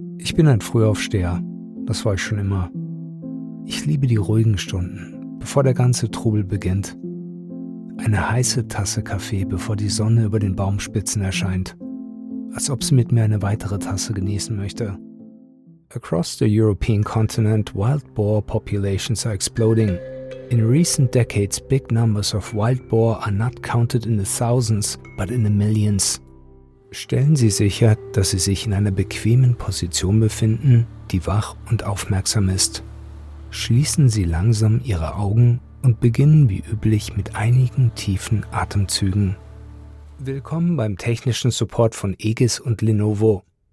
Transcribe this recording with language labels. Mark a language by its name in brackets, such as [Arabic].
[German] Ich bin ein Frühaufsteher, das war ich schon immer. Ich liebe die ruhigen Stunden, bevor der ganze Trubel beginnt. Eine heiße Tasse Kaffee, bevor die Sonne über den Baumspitzen erscheint, als ob sie mit mir eine weitere Tasse genießen möchte. [English] Across the European continent, wild boar populations are exploding. In recent decades, big numbers of wild boar are not counted in the thousands, but in the millions. [German] Stellen Sie sicher, dass Sie sich in einer bequemen Position befinden, die wach und aufmerksam ist. Schließen Sie langsam Ihre Augen und beginnen wie üblich mit einigen tiefen Atemzügen. Willkommen beim technischen Support von Aegis und Lenovo.